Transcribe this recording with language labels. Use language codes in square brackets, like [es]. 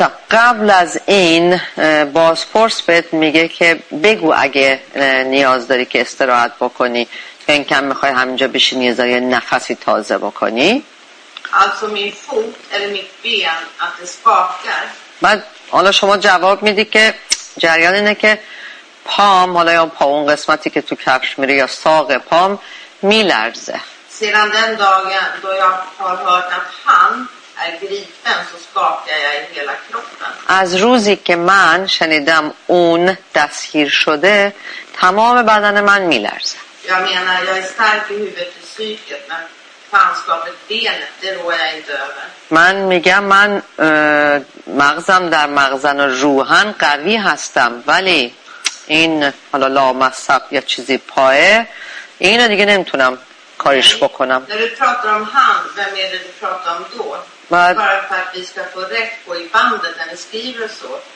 [fa] قبل از این بازپرس بهت میگه که بگو اگه نیاز داری که استراحت بکنی، این کم میخوای همینجا بشینی یه ذره نفسی تازه بکنی. [sv] Alltså min fot eller mitt ben att det skakar. [fa] بعد حالا شما جواب میدی که جریان اینه که پام، حالا یا پا اون قسمتی که تو کفش میره یا ساق پام میلرزه. [sv] Sedan den dagen då jag har hört att han är gripen så skakar jag i hela kroppen. [fa] از روزی که من شنیدم اون دستگیر شده تمام بدن من میلرزه. [sv] Jag menar, jag är stark i huvudet och psyket, men fanskapet, benet, det rår jag inte över. [fa] Man میگم من مغزم در مغزن و روحن قوی هستم، ولی این حالا لامصب یا چیزی پایه اینو دیگه نمیتونم کارش بکنم. [sv] När du pratar om hand, vem är det du pratar om då? Bara för att vi ska få rätt på i bandet när vi skriver så.